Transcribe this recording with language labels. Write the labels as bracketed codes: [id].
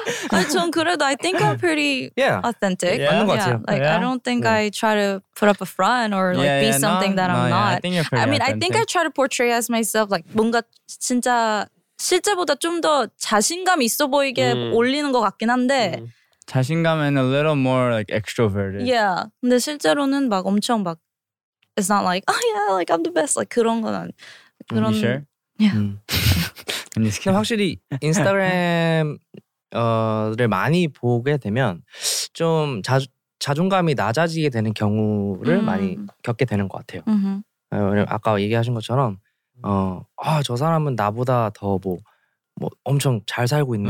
[ko] 아니 전 그래도 [en] I think I'm pretty authentic. [ko] 맞는 것 같아요. [en] Like I don't think I try to put up a front or like be something that I'm not. I think you're pretty. I mean I think I try to portray as myself like [ko] 뭔가 진짜 실제보다 좀 더 자신감 있어 보이게 올리는 것 같긴 한데. [en] 자신감은 a little more like extroverted. Yeah. [ko] 근데 실제로는 막 엄청 막 [en] it's not like oh yeah, like I'm the best. [ko] Like 그런 건 아니. 그런 [en] Are you sure? Yeah. [ko] 근데 확실히 인스타그램 를 많이 보게 되면 좀 자존감이 낮아지게 되는 경우를 많이 겪게 되는 것 같아요. 왜냐면 아까 얘기하신 것처럼 저 사람은 나보다 더 뭐 엄청 잘 살고 있네.